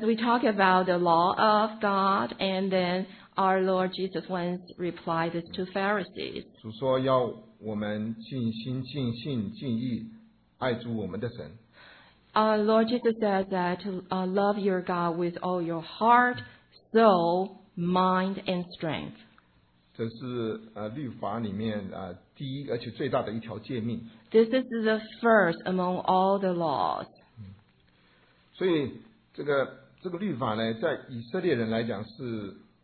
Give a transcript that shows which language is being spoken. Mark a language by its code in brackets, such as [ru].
[en] we talk about the law of God, and then our Lord Jesus once replied this to Pharisees. [zh] 主说要我们尽心尽性尽意爱主我们的神。 [en] Our Lord Jesus said that to love your God with all your heart, soul, mind, and strength. [zh] 这是律法里面第一而且最大的一条诫命。 [en] This is the first among all the laws. [zh] 所以这个律法呢，在以色列人来讲是。